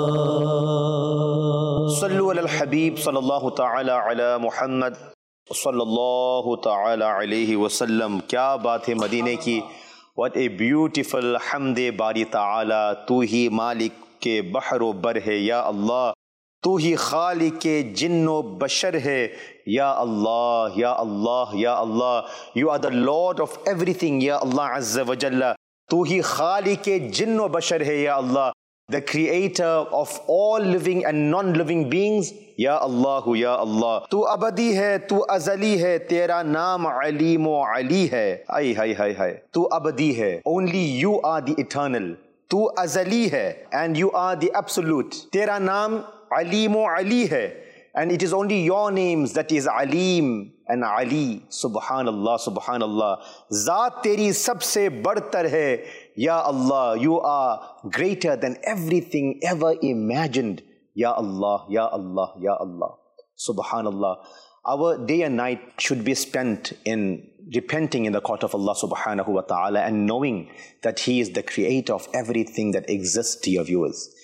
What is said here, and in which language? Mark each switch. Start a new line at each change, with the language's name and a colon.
Urdu: صلی اللہ تعالی علی محمد صلی اللہ تعالی علیہ وسلم. کیا بات ہے مدینے کی.
English: What a beautiful حمد باری تعالی.
Urdu: تو ہی مالک کے بحر و بر ہے یا اللہ, تو ہی خالق جن و بشر ہے یا اللہ یا اللہ یا اللہ.
English: You are the lord of everything یا اللہ عز و جل.
Urdu: تو ہی خالق جن و بشر ہے یا اللہ,
English: the creator of all living and non-living beings.
Urdu: یا اللہ یا اللہ, تو ابدی ہے, تو ازلی ہے, تیرا نام علیم و علی ہے. آئی ہائی ہائی ہائی, تو ابدی ہے,
English: only you are the eternal,
Urdu: تو ازلی ہے
English: and you are the absolute,
Urdu: تیرا نام علیم و علی ہے
English: and it is only your names that is علیم and علی.
Urdu: سبحان اللہ سبحان اللہ, ذات تیری سب سے برتر ہے یا اللہ.
English: You are greater than everything ever imagined.
Urdu: یا اللہ یا اللہ یا اللہ. سبحان اللہ.
English: Our day and night should be spent in repenting in the court of Allah subhanahu wa ta'ala and knowing that He is the creator of everything that exists to your viewers.